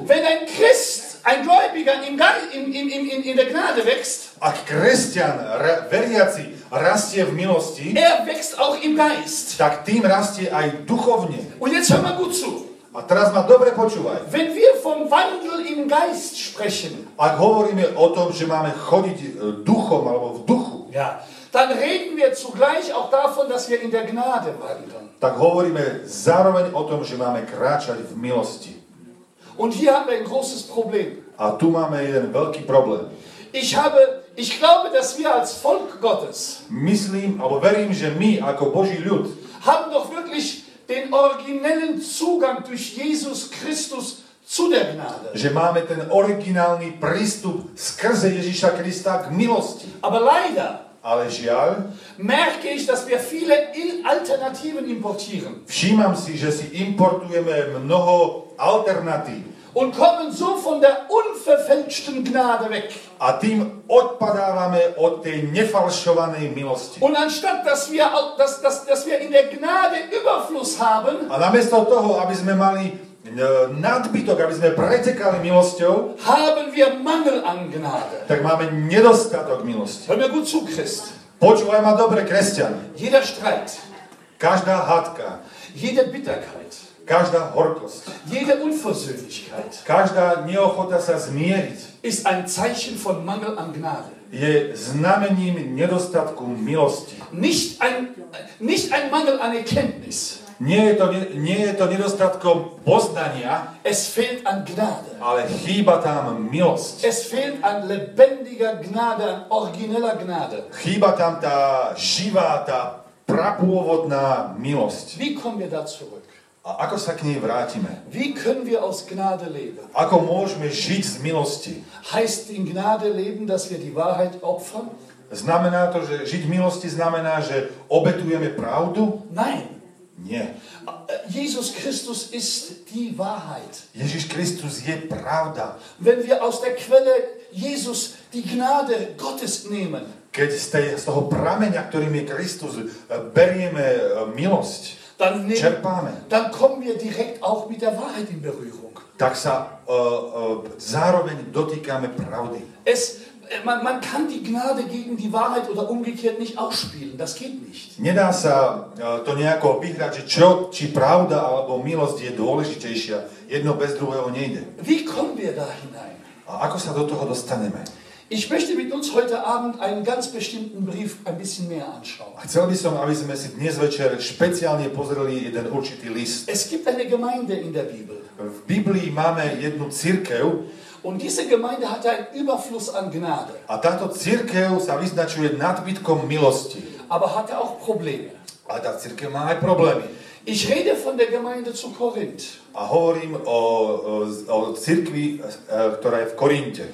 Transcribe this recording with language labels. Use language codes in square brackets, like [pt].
[de] Wenn ein Christ, ein Gläubiger in der Gnade wächst, [sk] ak kresťan, veriaci, rastie v milosti, [de] er wächst auch im Geist. [sk] Tak tým rastie aj duchovne. [de] Und jetzt hör mal gut zu. [sk] A teraz ma dobre počúvaj. [de] Wenn wir vom Wandel im Geist sprechen, [sk] ak hovoríme o tom, že máme chodiť duchom alebo v duchu, [de] ja, dann reden wir zugleich auch davon, dass wir in der Gnade wandeln. [sk] Tak hovoríme zároveň o tom, že máme kráčať v milosti. [de] Und hier haben wir ein großes Problem. [sk] A tu máme jeden veľký problém. [de] Ich glaube, dass wir als Volk Gottes, [sk] myslím, alebo verím, že my ako Boží ľud, [de] haben doch wirklich den originellen Zugang durch Jesus Christus zu der Gnade. [sk] Že máme ten originálny prístup skrze Ježiša Krista k milosti. [de] Aber leider, [sk] ale žiaľ, [de] merke ich, dass wir viele Alternativen importieren. [sk] Všímam si, že si importujeme mnoho alternatív. [de] Und kommen so von der unverfälschten Gnade weg. [sk] A tým odpadávame od tej nefalšovanej milosti. [de] Und anstatt, dass wir in der Gnade Überfluss haben, [sk] a namiesto toho, aby sme mali nadbytok, aby sme pretekali milosťou, [de] haben wir Mangel an Gnade. [sk] Tak máme nedostatok milosti. [de] Hör mir gut zu, Christ. [sk] Počúvaj ma dobre, kresťan. [de] Jeder Streit. [sk] Každá hádka. [de] Jede Bitterkeit. [sk] Každá horkosť. [de] Jede Unversöhnlichkeit. [sk] Každá neochota sa zmieriť. [de] Ist ein Zeichen von Mangel an Gnade. [sk] Je znamením nedostatku milosti. [de] Nicht ein Mangel an Erkenntnis. [sk] Nie je to nedostatkom poznania. [de] Es fehlt an Gnade. [sk] Ale chýba tam milosť. [de] Es fehlt an lebendiger Gnade, origineller Gnade. [sk] Chýba tam tá živá, tá prapôvodná milosť. [de] Wie kommen wir da zurück? [sk] A ako sa k nej vrátime? [de] Wie können wir aus Gnade leben? [sk] Ako môžeme žiť z milosti? [de] Heißt in Gnade leben, dass wir die Wahrheit opfern? [sk] Znamená to, že žiť v milosti znamená, že obetujeme pravdu? [de] Nein. [sk] Nie. [de] Jesus Christus ist die Wahrheit. [sk] Ježiš Kristus je pravda. [de] Wenn wir aus der Quelle Jesus die Gnade Gottes nehmen. [sk] Keď z toho prameňa, ktorým je Kristus, berieme milosť. [de] Dann kommen wir direkt auch mit der Wahrheit in Berührung. [sk] Tak sa zároveň dotýkame pravdy. [de] Man kann die Gnade gegen die Wahrheit oder umgekehrt nicht ausspielen. Das geht nicht. [sk] Nedá sa to nejako vyhrať, že čo, či pravda alebo milosť je dôležitejšia. Jedno bez druhého nejde. [de] Wie kommen wir da hinein? [sk] A ako sa do toho dostaneme? [de] Ich möchte mit uns heute Abend einen ganz bestimmten Brief ein bisschen mehr anschauen. [sk] Chcel by som, aby sme si dnes večer špeciálne pozreli jeden určitý list. [de] Es gibt eine Gemeinde in der Bibel. [sk] V Biblii máme jednu cirkev. [de] Und diese Gemeinde hatte einen Überfluss an Gnade. [sk] A táto cirkev sa vyznačuje nadbytkom milosti. [de] Aber hatte auch Probleme. [sk] A tá cirkev má aj problémy. [de] Ich rede von der Gemeinde zu Korinth. [sk] A hovorím o cirkvi, ktorá je v Korinte.